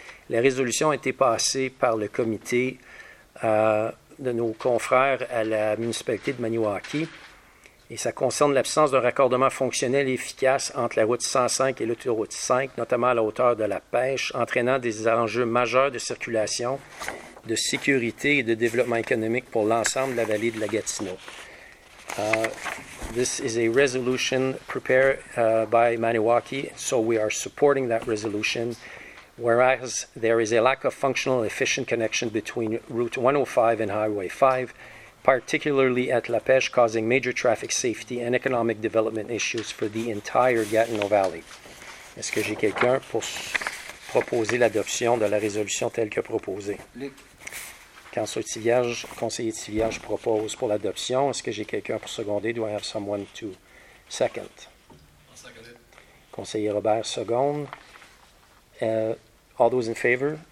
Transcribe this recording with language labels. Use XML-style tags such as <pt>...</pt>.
<fr>La résolution a été passée par le comité de nos confrères à la municipalité de Maniwaki. Et ça concerne l'absence d'un raccordement fonctionnel et efficace entre la route 105 et l'autoroute 5, notamment à la hauteur de la pêche, entraînant des enjeux majeurs de circulation, de sécurité et de développement économique pour l'ensemble de la vallée de la Gatineau.</fr> <en>This is a resolution prepared by Maniwaki, so we are supporting that resolution. Whereas there is a lack of functional and efficient connection between Route 105 and Highway 5, particularly at La Pêche, causing major traffic safety and economic development issues for the entire Gatineau Valley.</en> <fr>Est-ce que j'ai quelqu'un pour proposer l'adoption de la résolution telle que proposée? Councillor Tillage, conseiller Tillage propose pour l'adoption. Est-ce que j'ai quelqu'un pour seconder?</fr> <en>Do I have someone to second?</en> <fr>Conseiller Robert seconde.</fr> <en>All those in favor?</en>